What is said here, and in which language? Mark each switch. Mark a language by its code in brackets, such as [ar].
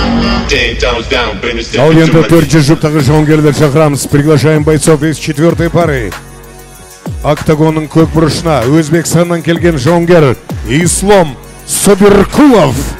[kk] Ал енді төртінші жұптағы жауынгерлер шақырамыз. [ru] Приглашаем бойцов из четвертой пары. [kk] Октагонның көк бұрышына Өзбекстаннан келген жауынгер Ислом Собиркулов.